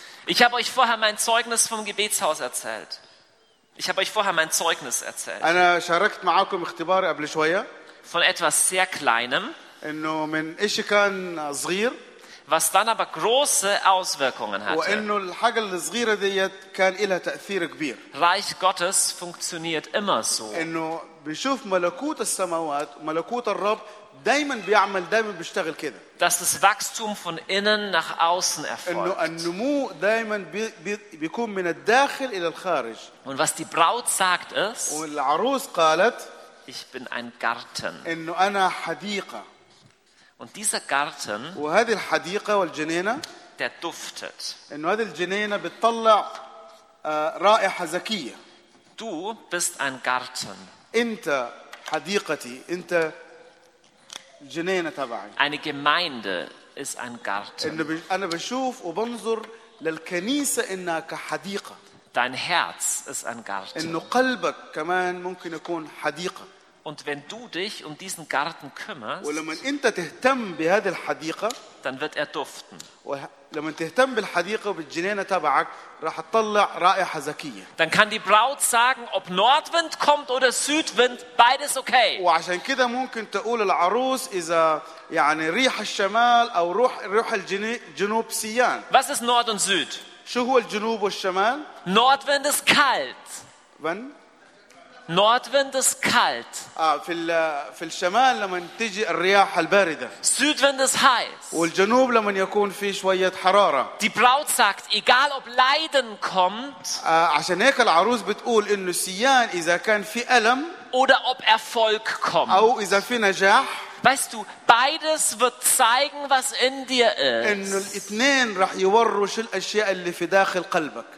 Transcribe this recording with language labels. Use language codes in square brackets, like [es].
[de] Ich habe euch vorher mein Zeugnis vom Gebetshaus erzählt. Ich habe euch vorher mein Zeugnis erzählt. [ar] أنا شاركت معكم اختباري قبل شوية. [de] Von etwas sehr Kleinem. [ar] إنه من إشي كان صغير. [de] Was dann aber große Auswirkungen hatte. [ar] وإنه الحاجة الصغيرة ديت كان لها تأثير كبير. [de] Reich Gottes funktioniert immer so. [ar] إنه بشوف ملكوت السماوات ملكوت الرب دائما بيعمل دائما بيشتغل كده. [de] Dass das Wachstum von innen nach außen erfolgt. [ar] إنه النمو دائما بيكون من الداخل إلى الخارج. [de] Und was die Braut sagt ist. [ar] والعروس قالت. [de] Ich bin ein Garten. [ar] إنه أنا حديقة. [de] Und dieser Garten, [ar] وهذه الحديقة والجنينة, [de] der duftet. [ar] إنه هذه الجنينة بتطلع رائحة زكية. [de] Du bist ein Garten. [ar] أنت حديقتي, أنت الجنينة تبعي. [de] Eine Gemeinde ist ein Garten. [ar] إنه أنا بشوف وبنظر للكنيسة إنها كحديقة. [de] Dein Herz ist ein Garten. [ar] إنه قلبك كمان ممكن يكون حديقة. [de] Und wenn du dich um diesen Garten kümmerst, [ar] ولمن انت تهتم بهذه الحديقة, [de] dann wird er duften. [ar] ولمن تهتم بالحديقة وبالجنينة تبعك, راح تطلع رائحة زكية. [de] Dann kann die Braut sagen, ob Nordwind kommt oder Südwind, beides okay. [ar] وعشان كده ممكن تقول العروس إذا يعني ريح الشمال أو روح الجنوب سيان. [de] Was ist Nord und Süd? [ar] شو هو الجنوب والشمال؟ [de] Nordwind ist kalt. Wann? Nordwind ist kalt. [ar] في الشمال لما تجي الرياح الباردة. [de] Südwind ist heiß. [ar] والجنوب لما يكون في شوية حرارة. [de] Die Braut sagt, egal ob Leiden kommt. [ar] عشان هيك العروس بتقول إنه سيان إذا كان في ألم. [de] Oder ob Erfolg kommt. [ar] أو إذا في نجاح. [de] Weißt du, beides wird zeigen, was in dir ist. [ar] إنه الاثنين رح يوروا شو الأشياء اللي في داخل قلبك.